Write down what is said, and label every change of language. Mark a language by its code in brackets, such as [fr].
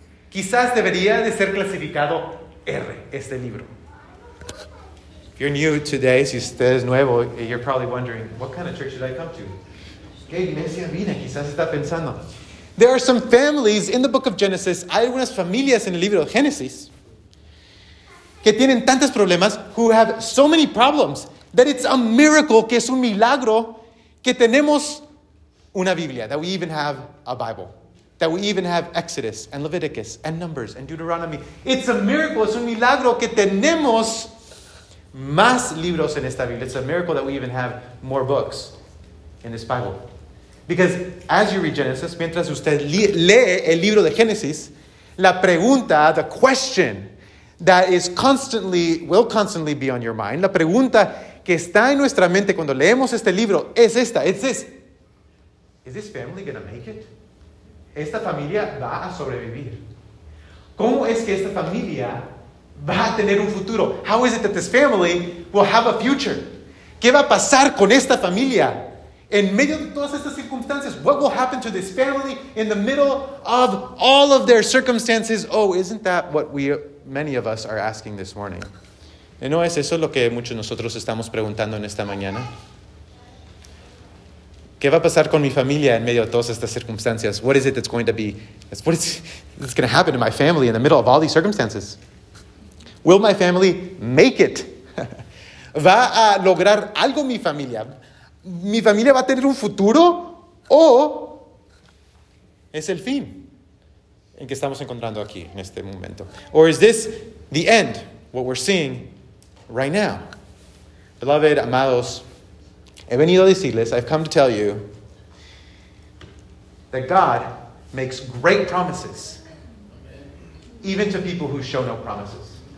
[es] Quizás debería de ser clasificado R, este libro. [en] You're new today, [es] si usted es nuevo, [en] you're probably wondering, what kind of church should I come to? [es] ¿Qué iglesia vine? Quizás está pensando. [en] There are some families in the book of Genesis, [es] hay algunas familias en el libro de Génesis, que tienen tantos problemas, [en] who have so many problems, that it's a miracle, [es] que es un milagro, que tenemos una Biblia, [en] that we even have a Bible, that we even have Exodus, and Leviticus, and Numbers, and Deuteronomy. It's a miracle, [es] es un milagro, que tenemos más libros en esta Biblia. [en] It's a miracle that we even have more books in this Bible. Because as you read Genesis, [es] mientras usted lee el libro de Génesis, la pregunta, [en] the question that is constantly, will constantly be on your mind, [es] la pregunta que está en nuestra mente cuando leemos este libro es esta, [en] it's this. Is this family going to make it? [es] ¿Esta familia va a sobrevivir? ¿Cómo es que esta familia va a tener un futuro? [en] How is it that this family will have a future? [es] ¿Qué va a pasar con esta familia en medio de todas estas circunstancias? [en] What will happen to this family in the middle of all of their circumstances? Oh, isn't that what many of us are asking this morning? [es] ¿No es eso lo que muchos de nosotros estamos preguntando en esta mañana? ¿Qué va a pasar con mi familia en medio de todas estas circunstancias? [en] What is it that's going to be? What's going to happen to my family in the middle of all these circumstances? Will my family make it? [es] ¿Va a lograr algo mi familia? ¿Mi familia va a tener un futuro? ¿O es el fin en que estamos encontrando aquí, en este momento? [en] Or is this the end, what we're seeing right now? Beloved, [es] amados, he venido a decirles, [en] I've come to tell you, that God makes great promises, even to people who show no promises.